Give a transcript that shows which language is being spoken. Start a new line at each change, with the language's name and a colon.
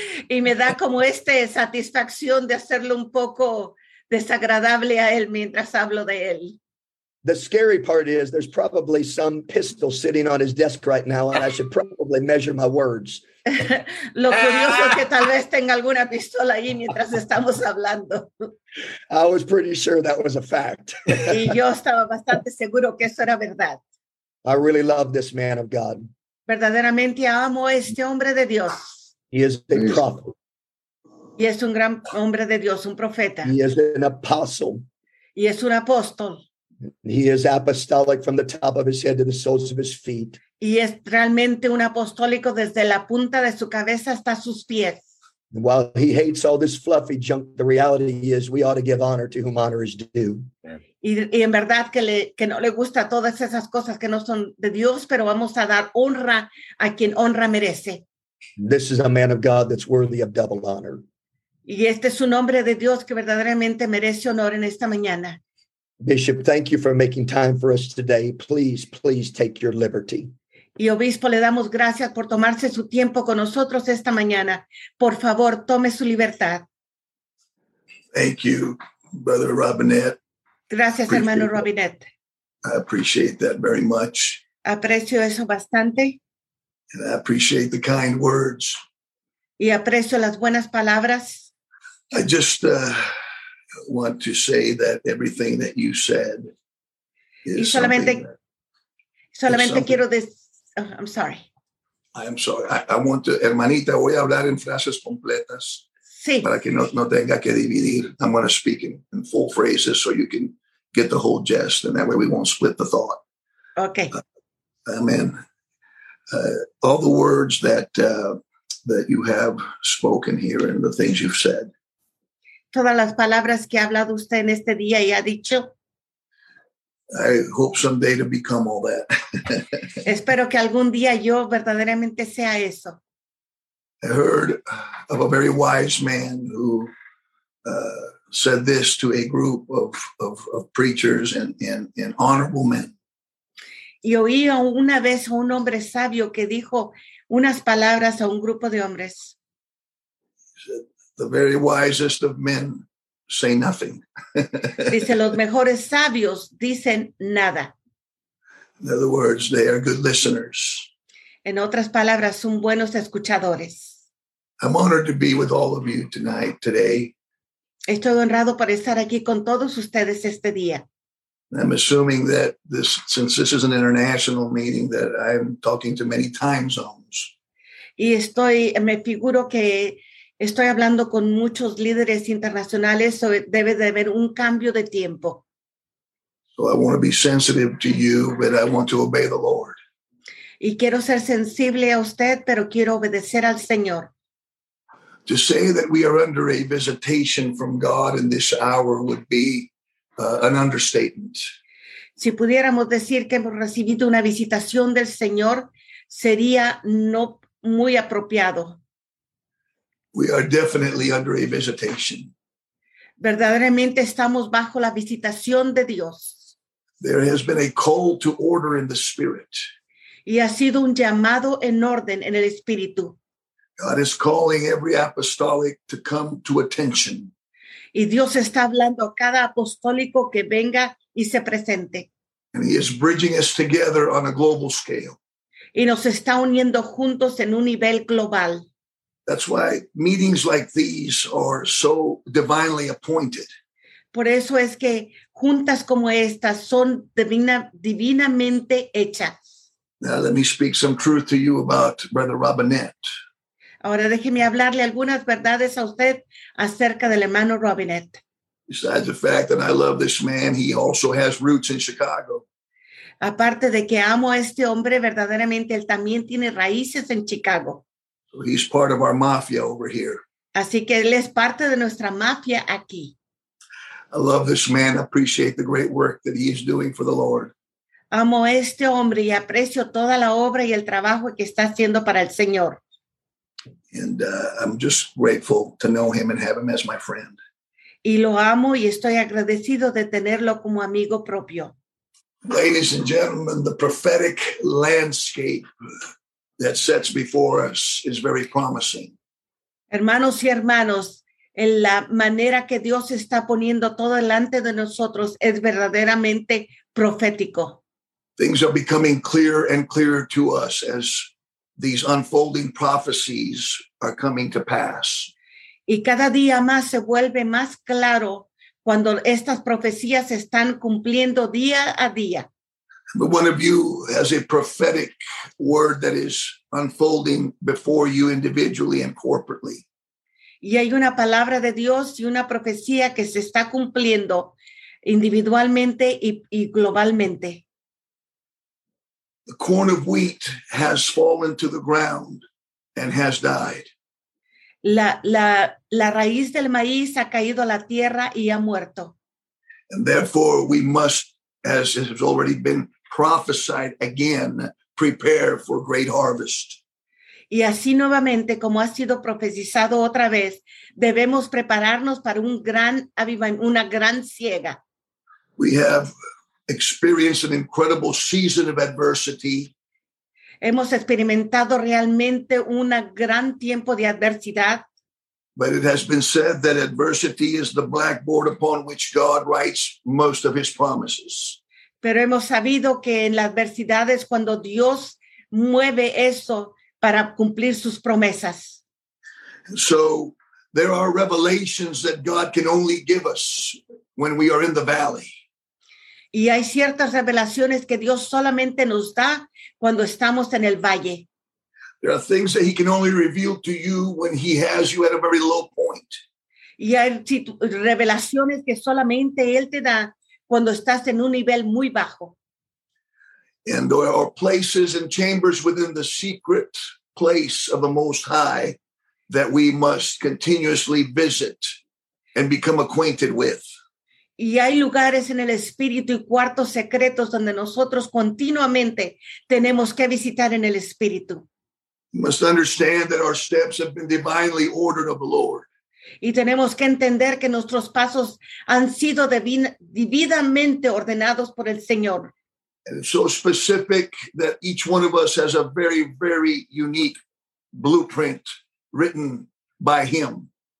Spanish: Y me da como esta satisfacción de hacerlo un poco desagradable a él mientras hablo de él.
English: The scary part is there's probably some pistol sitting on his desk right now, and I should probably measure my words.
Spanish: Lo curioso es que tal vez tenga alguna pistola ahí mientras estamos hablando.
English: I was pretty sure that was a fact.
Spanish: Y yo estaba bastante seguro que eso era verdad.
English: I really love this man of God.
Spanish: Verdaderamente amo a este hombre de Dios.
English: He is a prophet.
Spanish: Y es un gran hombre de Dios, un profeta.
English: He is an apostle.
Spanish: Y es un apóstol.
English: He is apostolic from the top of his head to the soles of his feet.
Spanish: Y es realmente un apostólico desde la punta de su cabeza hasta sus pies.
English: While he hates all this fluffy junk, the reality is we ought to give honor to whom honor is due.
Spanish: Y en verdad que no le gusta todas esas cosas que no son de Dios, pero vamos a dar honra a quien honra merece.
English: This is a man of God that's worthy of double honor.
Spanish: Y este es un hombre de Dios que verdaderamente merece honor en esta mañana.
English: Bishop, thank you for making time for us today. Please, please take your liberty.
Spanish: Y obispo, le damos gracias por tomarse su tiempo con nosotros esta mañana. Por favor, tome su libertad.
English: Thank you, Brother Robinette.
Spanish: Gracias, hermano Robinette.
English: I appreciate that very much.
Spanish: Aprecio eso bastante.
English: And I appreciate the kind words.
Spanish: Y aprecio las buenas palabras.
English: I just want to say that everything that you said is
Spanish: solamente quiero decir,
English: I'm sorry. I want to,
Spanish: hermanita, voy a hablar en frases completas. Sí. Para que no tenga que dividir.
English: I'm going to speak in full phrases so you can get the whole gist, and that way we won't split the thought. Okay. Amen. All the words that you have spoken here and the things you've said.
Spanish: Todas las palabras que ha hablado usted en este día y ha dicho.
English: I hope someday to become all that.
Spanish: Espero que algún día yo verdaderamente sea eso.
English: I heard of a very wise man who said this to a group of preachers and honorable men.
Spanish: Y oí una vez a un hombre sabio que dijo unas palabras a un grupo de hombres.
English: The very wisest of men say nothing.
Spanish: Dice, los mejores sabios dicen nada.
English: In other words, they are good listeners.
Spanish: En otras palabras, son buenos escuchadores.
English: I'm honored to be with all of you tonight, today.
Spanish: Estoy honrado por estar aquí con todos ustedes este día.
English: I'm assuming that this, since this is an international meeting, that I'm talking to many time zones.
Spanish: Y estoy, me figuro que estoy hablando con muchos líderes internacionales, so debe de haber un cambio de tiempo.
English: So I want to be sensitive to you, but I want to obey the Lord.
Spanish: Y quiero ser sensible a usted, pero quiero obedecer al Señor.
English: to say that we are under a visitation from God in this hour would be an understatement.
Spanish: Si pudiéramos decir que hemos recibido una visitación del Señor, sería no muy apropiado.
English: We are definitely under a visitation.
Spanish: Verdaderamente estamos bajo la visitación de Dios.
English: There has been a call to order in the Spirit.
Spanish: Y ha sido un llamado en orden en el Espíritu.
English: God is calling every apostolic to come to attention.
Spanish: Y Dios está hablando a cada apostólico que venga y se presente.
English: And he is bridging us together on a global scale.
Spanish: Y nos está uniendo juntos en un nivel global.
English: That's why meetings like these are so divinely appointed.
Spanish: Por eso es que juntas como estas son divinamente hechas.
English: Now let me speak some truth to you about Brother Robinette.
Spanish: Ahora déjeme hablarle algunas verdades a usted acerca del hermano Robinette.
English: Besides the fact that I love this man, he also has roots in Chicago.
Spanish: Aparte de que amo a este hombre, verdaderamente él también tiene raíces en Chicago.
English: So he's part of our mafia over here.
Spanish: Así que él es parte de nuestra mafia aquí.
English: I love this man. I appreciate the great work that he is doing for the Lord.
Spanish: Amo a este hombre y aprecio toda la obra y el trabajo que está haciendo para el Señor.
English: And I'm just grateful to know him and have him as my friend.
Spanish: Y lo amo y estoy agradecido de tenerlo como amigo propio.
English: Ladies and gentlemen, the prophetic landscape that sets before us is very promising.
Spanish: Hermanos y hermanos, en la manera que Dios está poniendo todo delante de nosotros es verdaderamente profético.
English: Things are becoming clearer and clearer to us as these unfolding prophecies are coming to pass.
Spanish: Y cada día más se vuelve más claro cuando estas profecías se están cumpliendo día a día.
English: But one of you has a prophetic word that is unfolding before you individually and corporately.
Spanish: Y hay una palabra de Dios y una profecía que se está cumpliendo individualmente y globalmente.
English: The corn of wheat has fallen to the ground and has died.
Spanish: La raíz del maíz ha caído a la tierra y ha muerto.
English: And therefore we must, as has already been prophesied again, prepare for great harvest.
Spanish: Y así nuevamente, como ha sido profetizado otra vez, debemos prepararnos para una gran siega.
English: We have experienced an incredible season of adversity.
Spanish: Hemos experimentado realmente un gran tiempo de adversidad.
English: But it has been said that adversity is the blackboard upon which God writes most of his promises.
Spanish: Pero hemos sabido que en la adversidad es cuando Dios mueve eso para cumplir sus promesas.
English: So there are revelations that God can only give us when we are in the valley.
Spanish: Y hay ciertas revelaciones que Dios solamente nos da cuando estamos en el valle.
English: There are things that he can only reveal to you when he has you at a very low point.
Spanish: Y hay revelaciones que solamente él te da cuando estás en un nivel muy bajo.
English: And there are places and chambers within the secret place of the Most High that we must continuously visit and become acquainted with.
Spanish: Y hay lugares en el Espíritu y cuartos secretos donde nosotros continuamente tenemos que visitar en el Espíritu.
English: We must understand that our steps have been divinely ordered of the Lord.
Spanish: Y tenemos que entender que nuestros pasos han sido debidamente ordenados por el Señor.
English: And it's so specific that each one of us has a very, very unique blueprint written by him.